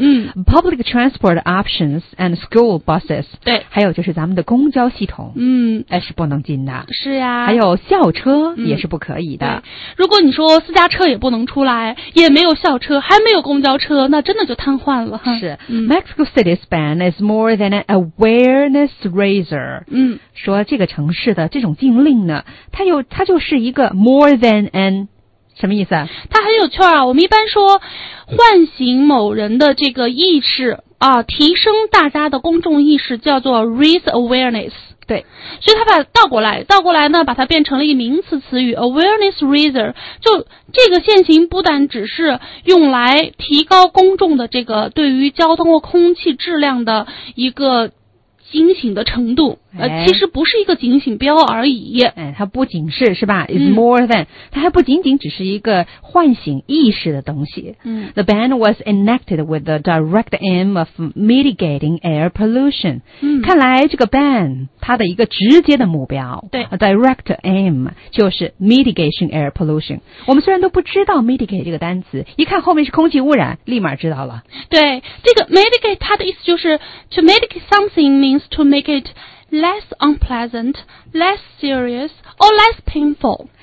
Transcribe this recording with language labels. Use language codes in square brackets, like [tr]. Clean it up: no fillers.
[en] 嗯，public transport options and school buses。 [zh] 对，还有就是咱们的公交系统，嗯，哎，是不能进的。是呀，还有校车也是不可以的。嗯、如果你说私家车也不能出来，也没有校车，还没有公交车，那真的就瘫痪了。 [en] 是、，Mexico City's ban is more than an awareness raiser。嗯， [zh] 说这个城市的这种禁令呢，它就是一个 [en] more than an [zh] 什么意思、啊、它很有趣啊，我们一般说唤醒某人的这个意识啊，提升大家的公众意识叫做 [en] raise awareness。 [zh] 对，所以它把倒过来呢，把它变成了一名词词语 awareness raiser， 就这个现行不但只是用来提高公众的这个对于交通和空气质量的一个警醒的程度，其实不是一个警醒标而已。哎，它不仅是吧 ？ [en] Is more than，、 [zh] 它还不仅仅只是一个唤醒意识的东西。嗯 [en] ，The ban was enacted with the direct aim of mitigating air pollution。嗯， [zh] 看来这个 ban 它的一个直接的目标，对 [en] ，a direct aim [zh] 就是 [en] mitigation air pollution。 [zh] 我们虽然都不知道 mitigate 这个单词，一看后面是空气污染，立马知道了。对，这个 [en] mitigate [zh] 它的意思就是 [en] to mitigate something means to make it less unpleasant, less serious, or less painful.